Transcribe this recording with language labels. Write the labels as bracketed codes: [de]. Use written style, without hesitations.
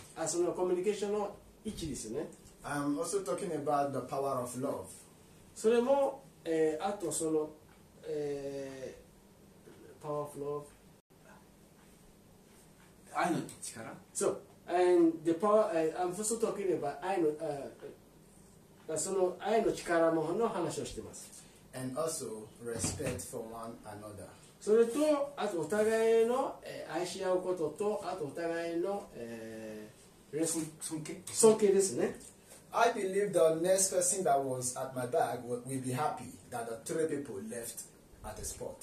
[ja] あ、そのコミュニケーションの1ですね。 [en] I'm also talking about the power of love。 [ja] それも、あとその、 [en] power of love。 [ja] 愛の力。 [en] So and the power. I'm also talking about [ja] 愛の。その愛の力の話をしています。 [en] And also respect for one another. [ja] それと、あとお互いの愛し合うことと、あとお互いの、尊敬ですね。 [en] I believe the next person that was at my back will be happy that the three people left at the spot.